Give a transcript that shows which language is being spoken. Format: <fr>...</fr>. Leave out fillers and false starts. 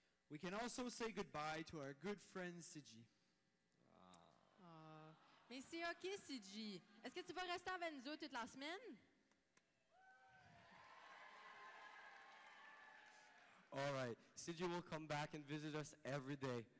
<en>We can also say goodbye to our good friend Siji.</en> <fr>Mais c'est OK, Siji. Est-ce que tu vas rester avec nous toute la semaine?</fr> <en>All right. Siji will come back and visit us every day.</en>